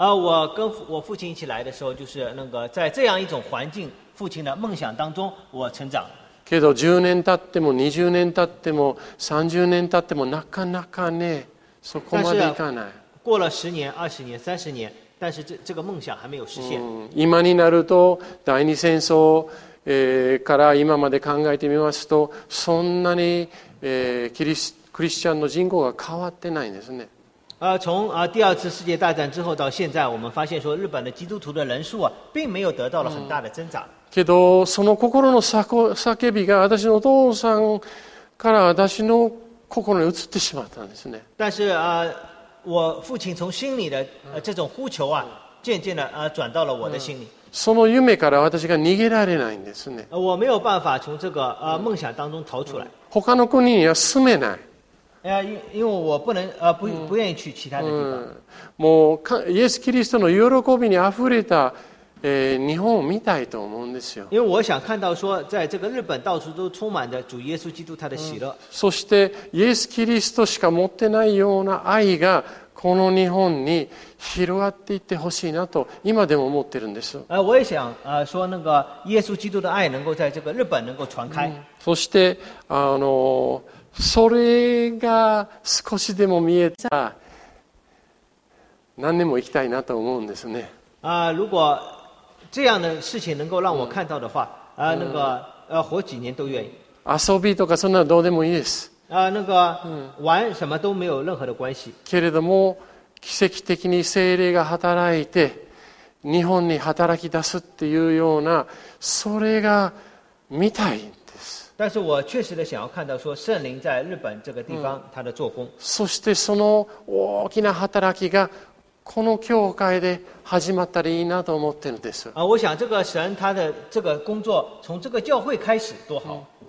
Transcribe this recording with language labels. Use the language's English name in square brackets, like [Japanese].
[Chinese] 我跟我父亲一起来的时候就是那个在这样一种环境父亲的梦想当中我成长。 [Japanese] けど10年経っても20年経っても30年経ってもなかなかねそこまでいかない。 [Chinese] 过了10年20年30年但是 这个梦想还没有实现。 [Japanese] 今になると第二次戦争、から今まで考えてみますとそんなに、クリスチャンの人口が変わってないんですね。 [Chinese] 从第二次世界大战之后到现在我们发现说日本的基督徒的人数、并没有得到了很大的增长。 [Japanese] けどその心の叫びが私のお父さんから私の心に移ってしまったんですね。 [Chinese] 但是我父亲从心里的这种呼求啊渐渐的转到了我的心里。 [Japanese] その夢から私が逃げられないんですね。 [Chinese] 我没有办法从这个梦想当中逃出来。 [Japanese] 他の国には住めない。 [Chinese] 因为我不能不愿意去其他的地方。 [Japanese] もうイエス・キリストの喜びにあふれた日本を見たいと思うんですよ。 [Chinese] 因为我想看到说在这个日本到处都充满着主耶稣基督他的喜乐。 [Japanese] そしてイエス・キリストしか持ってないような愛がこの日本に広がっていってほしいなと今でも思ってるんです。 [Chinese] 我也想说那个耶稣基督的爱能够在这个日本能够传开。 [Japanese] そしてそれが少しでも見えた何年も生きたいなと思うんですね。 [Chinese] 如果这样的事情能够让我看到的话那个活几年都愿意。 [Japanese] 遊びとかそんなのどうでもいいです。 [Chinese] 那个玩什么都没有任何的关系。 [Japanese] けれども奇跡的に聖霊が働いて日本に働き出すっていうようなそれが見たい。 [Chinese] 但是我确实的想要看到说圣灵在日本这个地方他的做工。 [Japanese] そしてその大きな働きがこの教会で始まったらいいなと思ってるんです。 [Chinese] 我想这个神他的这个工作从这个教会开始多好。